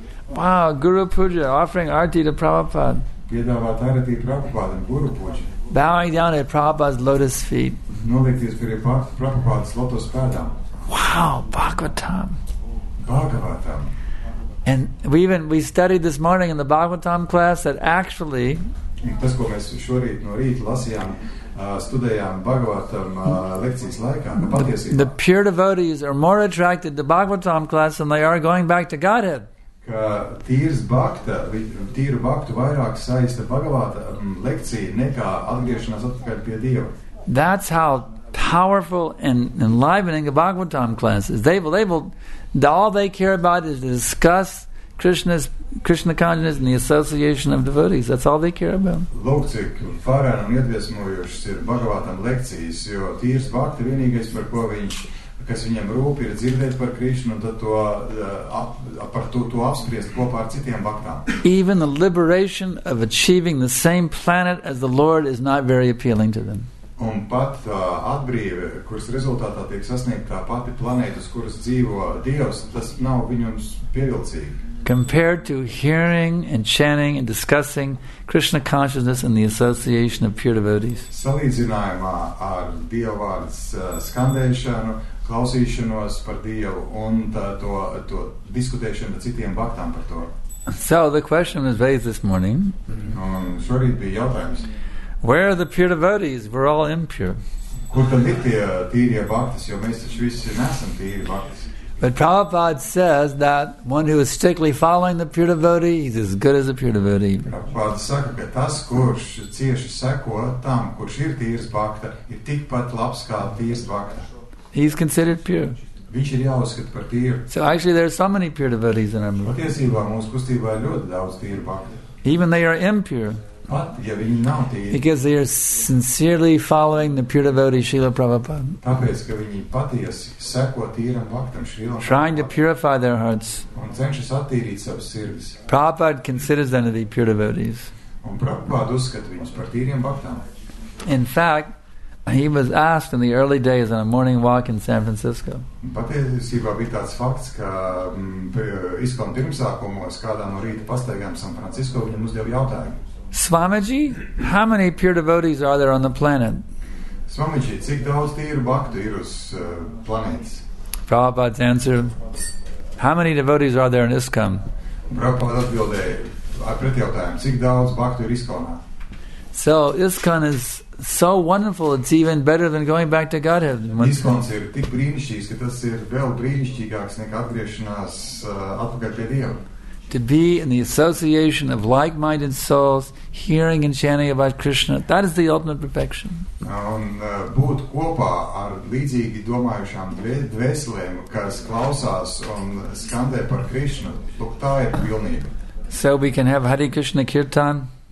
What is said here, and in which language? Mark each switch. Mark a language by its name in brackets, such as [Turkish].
[English] Wow, Guru Puja, offering Arti to Prabhupada. Bowing down at Prabhupada's lotus feet. Wow, Bhagavatam. Bhagavatam. And we studied this morning in the Bhagavatam class that actually [Latvian] tas, ko mēs šorīt no rīta lasījām, studējām Bhagavatam lekcijas laikā, no patiesībā. [English] The pure devotees are more attracted to Bhagavatam class than they are going back to Godhead. [Latvian] Ka tīru baktu vairāk saista Bhagavatam lekcija nekā atgriešanās atpakaļ pie Dieva. [English] That's how powerful and enlivening a Bhagavatam class is. All they care about is to discuss Krishna consciousness and the association of devotees. That's all they care about. [Latvian] Lūk, cik fārēn un iedviesmojušas ir Bhagavatam lekcijas, jo tīrs bakti vienīgais, par ko viņš, kas viņam rūp, ir dzirdēt par Krishnu un tad to apspriest kopā ar citiem baktām. [English] Even the liberation of achieving the same planet as the Lord is not very appealing to them. [Latvian] Un pat atbrīve, kuras rezultātā tiek sasniegta pati planēta, uz kuras dzīvo Dievs, tas nav viņums pievilcīgi. [English] Compared to hearing and chanting and discussing Krishna consciousness and the association of pure devotees. [Latvian] Salīdzinājumā ar Dieva vārds skandēšanu, klausīšanos par Dievu un to diskutēšanu ar citiem baktām par to. [English] So the question was raised this morning. [Latvian] Un šorīt bija jautājums. [English] Where are the pure devotees? We're all impure. [Latvian] Kur tad ir tie tīrie baktas, jo mēs taču visi nesam tīri baktas. [English] But Prabhupada says that one who is strictly following the pure devotee is as good as a pure devotee. [Latvian] Prabhupada saka, ka tas, kurš cieši seko tam, kurš ir tīrs bakta, ir tikpat labs kā tīrs bakta. [English] He is considered pure. [Latvian] Viņš ir jāuzskata par tīru. [English] So actually there are so many pure devotees in our movement. [Latvian] Patiesībā mūsu kustībā ir ļoti daudz tīru bakta. [English] Even they are impure. [Latvian] Pat, ja viņi nav tīri. [English] Because they are sincerely following the pure devotee Śrīla Prabhupāda. [Latvian] Tāpēc, ka viņi patiesi seko tīram baktam Śrīla Prabhupāda. [English] Trying to purify their hearts. [Latvian] Un cenšas attīrīt savas sirdis. [English] Prabhupāda considers them to be pure devotees. [Latvian] Un Prabhupāda uzskata viņus par tīriem baktām. [English] In fact, he was asked in the early days on a morning walk in San Francisco. [Latvian] Patiesībā bija tāds fakts, ka izkon pirmsākumos kādā no rīta pastaigām San Francisco viņam uzdeva jautājumu. [English] Swamiji, how many pure devotees are there on the planet? [Latvian] Swamiji, cik daudz tīru baktu ir uz planētas? [English] Prabhupāda's answer, how many devotees are there in ISKCON? [Latvian] Prabhupāda atbildēja pretjautājumu, cik daudz baktu ir ISKCONā? [English] So, ISKCON is so wonderful, it's even better than going back to Godhead. [Latvian] ISKCONs ir tik brīnišķīgs, ka tas ir vēl brīnišķīgāks nekā atgriešanās atpakaļ pie Dieva. [English] To be in the association of like-minded souls, hearing and chanting about Krishna, that is the ultimate perfection. [Latvian] Un būt kopā ar līdzīgi domājušām dvēselēm, kas klausās un skandē par Krishna, lūk tā ir pilnība. [English] So we can have Hare Krishna Kirtan.